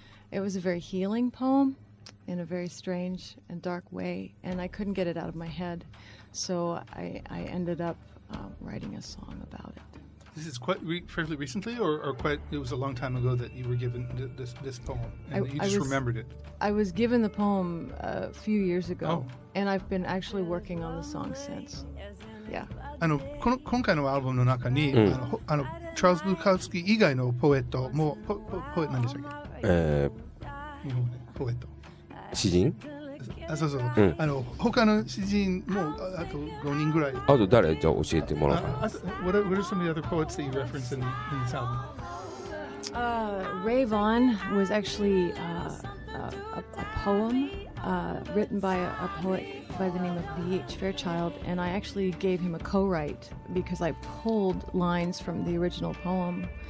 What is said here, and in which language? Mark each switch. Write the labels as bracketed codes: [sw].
[en] It was a very healing poem in a very strange and dark way, and I couldn't get it out of my head, so I ended up writing a song about it. This is quite fairly recently, or quite, it was a long time ago that you were given this poem, remembered it? I was given the poem a few years ago, oh. And I've been actually working on the song since. Yeah. [ja] あの、この、今回のアルバムの中に、うん、あの、チャールズ・ブカウスキー以外のポエットも、ポエット何でしたっけ？ [en] ポエット [ja] 詩人、あ、そうそう、うん、あの他の詩人もあと5人ぐらい、あと誰、じゃあ教えてもらおうかな。 [en] What are some of the other poets that you reference in this album? Ray Vaughan was actually a poem written by a poet by the name of B.H. Fairchild, and I actually gave him a co-write because I pulled lines from the original poem.